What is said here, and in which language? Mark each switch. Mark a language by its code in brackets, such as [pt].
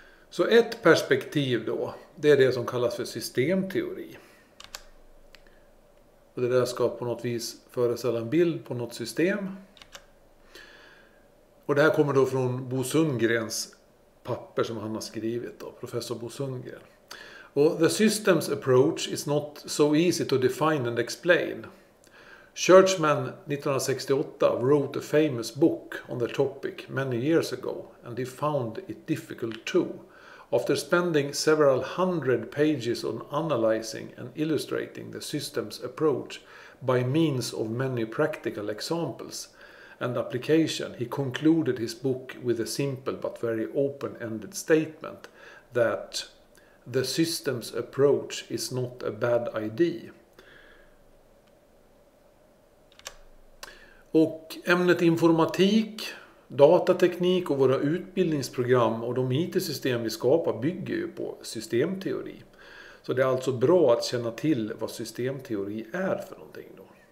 [sv] Så ett perspektiv då, det är det som kallas för systemteori. Och det där ska på något vis föreställa en bild på något system. Och det här kommer då från Bo Sundgrens papper som han har skrivit då, professor Bo Sundgren. Och [en] the systems approach is not so easy to define and explain. Churchman 1968 wrote a famous book on the topic many years ago and he found it difficult too. After spending several hundred pages on analyzing and illustrating the system's approach by means of many practical examples and application, he concluded his book with a simple but very open-ended statement that the system's approach is not a bad idea. [sv] Och ämnet informatik, datateknik och våra utbildningsprogram och de IT-system vi skapar bygger ju på systemteori. Så det är alltså bra att känna till vad systemteori är för någonting då.